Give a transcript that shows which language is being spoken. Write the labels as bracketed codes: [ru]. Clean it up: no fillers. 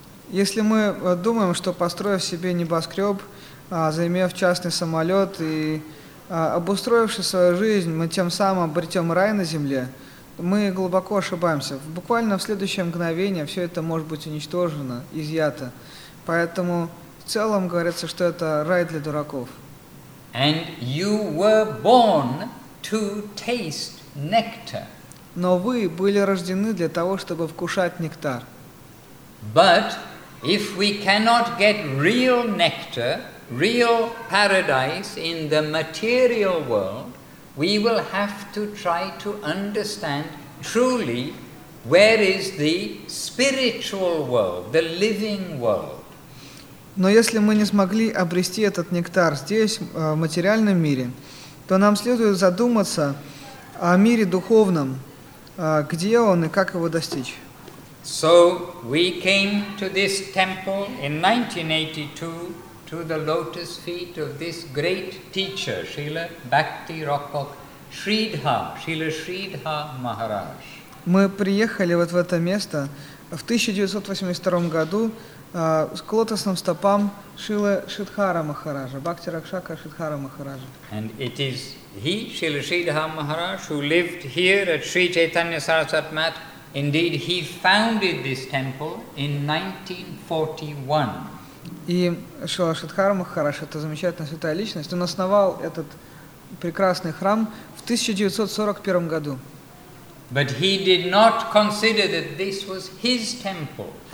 [ru] Если мы думаем, что построив себе небоскреб, займев частный самолет и обустроивши свою жизнь, мы тем самым обретем рай на земле, мы глубоко ошибаемся. Буквально в следующее мгновение все это может быть уничтожено, изъято. Поэтому в целом говорится, что это рай для дураков. [en] And you were born to taste nectar. [ru] Но вы были рождены для того, чтобы вкушать нектар. [en] But if we cannot get real nectar, real paradise in the material world, we will have to try to understand truly where is the spiritual world, the living world. [ru] Но если мы не смогли обрести этот нектар здесь, в материальном мире, то нам следует задуматься о мире духовном, где он и как его достичь. [en] So we came to this temple in 1982 to the lotus feet of this great teacher, Srila Bhakti Rokok Sridhar, Srila Sridhar Maharaj. [ru] Мы приехали вот в это место в 1982 году к лотосным стопам Шрилы Шридхара Махараджа, Бхакти Ракшака Шридхара Махараджа. [en] And it is he, Srila Sridhar Maharaj, who lived here at Sri Chaitanya Sarasat Mat. Indeed, he founded this temple in 1941. [ru] И Шрила Шридхара Махарадж, это замечательная святая личность, он основал этот прекрасный храм в 1941 году. [en] But he did not consider that this was his temple.